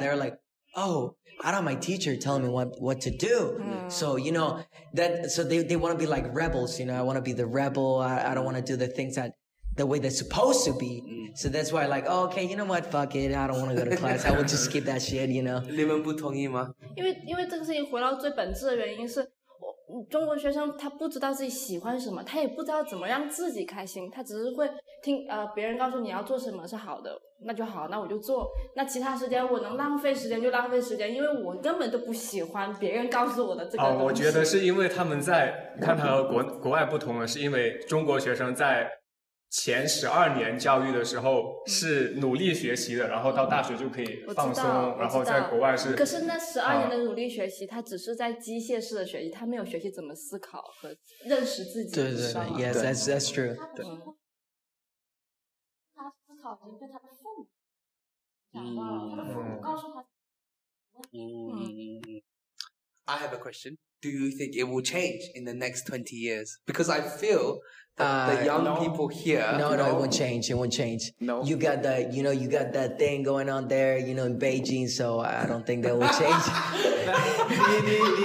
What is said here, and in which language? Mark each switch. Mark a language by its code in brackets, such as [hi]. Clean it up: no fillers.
[en] They're like, oh, how about my teacher telling me what to do? Mm. So, you know, that so they want to be like rebels, you know, I want to be the rebel. I don't want to do the things that the way they're supposed to be. Mm. So that's why like, oh, okay, you know what? Fuck it. I don't want to go to class. I will just skip that shit, you know. [zh] 你们不同意吗? 因为这个事情回到最本质的原因是中国学生他不知道自己喜欢什么，他也不知道怎么让自己开心，他只是会听别人告诉你要做什么是好的，那就好，那我就做。那其他时间我能浪费时间就浪费时间，因为我根本都不喜欢别人告诉我的这个东西。我觉得是因为他们在看他和国外不同的是因为中国学生在前十二年教育的时候是努力学习的，然后到大学就可以放松，然后在国外是。可是那十二年的努力学习，他只是在机械式的学习，他没有学习怎么思考和认识自己。对对对， [en] Yes, that's true. [zh] 他思考已经被他的父母讲到了，他的父母告诉他。 [en] I have a question. Do you think it will change in the next 20 years? Because I feel. The young people here, it won't change. It won't change. No, you got that. You know, you got that thing going on there. You know, in Beijing. So I don't think that will change.